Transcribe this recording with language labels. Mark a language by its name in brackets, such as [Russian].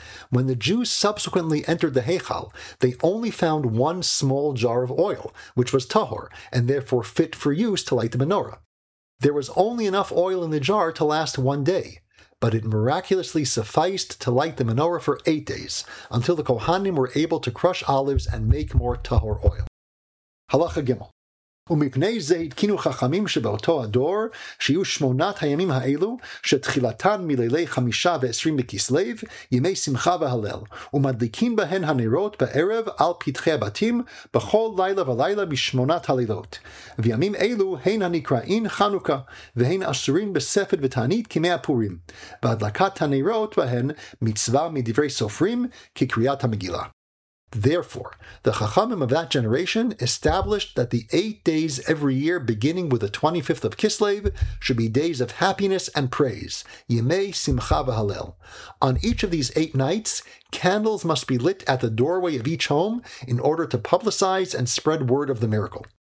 [English] When the Jews subsequently entered the Heichal, they only found one small jar of oil, which was tahor, and therefore fit for use to light the menorah. There was only enough oil in the jar to last one day, but it miraculously sufficed to light the menorah for 8 days, until the Kohanim were able to crush olives and make more tahor oil. Halacha Gimel. [Hebrew] ומפני זה התקינו חכמים שבאותו הדור שיהיו שמונת הימים האלו שתחילתן מלילי 25 בכסלב, ימי שמחה והלל, ומדליקים בהן הנרות בערב על פתחי הבתים בכל לילה ולילה בשמונת הלילות. וימים אלו הן הנקראין חנוכה, והן אסורים בספד ותענית כימי הפורים, והדלקת הנרות בהן מצווה מדברי סופרים כקריאת המגילה. [English] Therefore, the Chachamim of that generation established that the 8 days every year beginning with the 25th of Kislev should be days of happiness and praise, [Hebrew] Yimei Simcha V'Halel. [English] On each of these 8 nights, candles must be lit at the doorway of each home in order to publicize and spread word of the miracle.